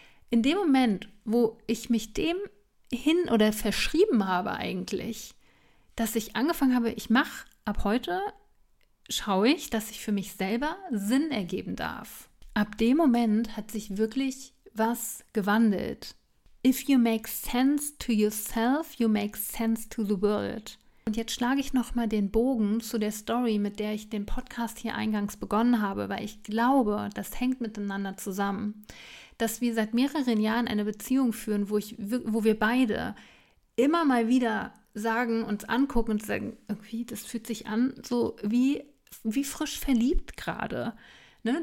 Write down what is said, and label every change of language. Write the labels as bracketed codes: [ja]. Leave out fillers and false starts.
[de] In dem Moment, wo ich mich dem hin oder verschrieben habe eigentlich, dass ich angefangen habe, ich mache ab heute, schaue ich, dass ich für mich selber Sinn ergeben darf. Ab dem Moment hat sich wirklich was gewandelt. [en] If you make sense to yourself, you make sense to the world. [de] Und jetzt schlage ich nochmal den Bogen zu der Story, mit der ich den Podcast hier eingangs begonnen habe, weil ich glaube, das hängt miteinander zusammen, dass wir seit mehreren Jahren eine Beziehung führen, wo wir beide immer mal wieder sagen, uns angucken und sagen, irgendwie, das fühlt sich an, so wie frisch verliebt gerade. Ne?